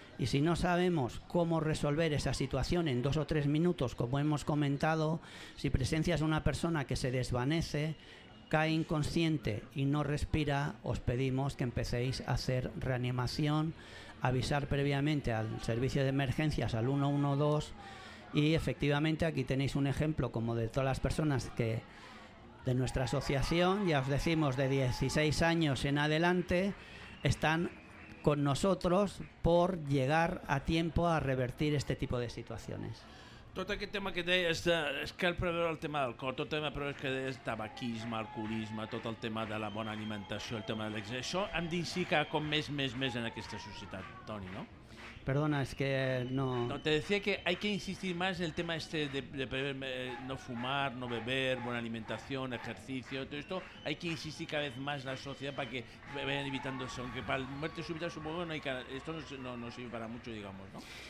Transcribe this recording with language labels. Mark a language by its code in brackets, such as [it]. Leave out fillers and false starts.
[es] Y si no sabemos cómo resolver esa situación en 2 o 3 minutos, como hemos comentado, si presencias una persona que se desvanece, cae inconsciente y no respira, os pedimos que empecéis a hacer reanimación, avisar previamente al servicio de emergencias, al 112, y efectivamente aquí tenéis un ejemplo, como de todas las personas que de nuestra asociación, ya os decimos, de 16 años en adelante, están con nosotros por llegar a tiempo a revertir este tipo de situaciones. [ca] Tot aquest tema que deies, és que el preveure el tema del cor, tot el tema que deies, tabaquisme, alcoholisme, tot el tema de la bona alimentació, el tema de l'exercici, això hem d'incidir com més en aquesta societat, Toni, no? Perdona, és que no... [es] No, te decía que hay que insistir más en el tema este de prever, no fumar, no beber, buena alimentación, ejercicio, todo esto, hay que insistir cada vez más la sociedad para que vayan evitándose, aunque para la muerte súbita supongo no hay que... Esto no sirve para mucho, digamos, ¿no?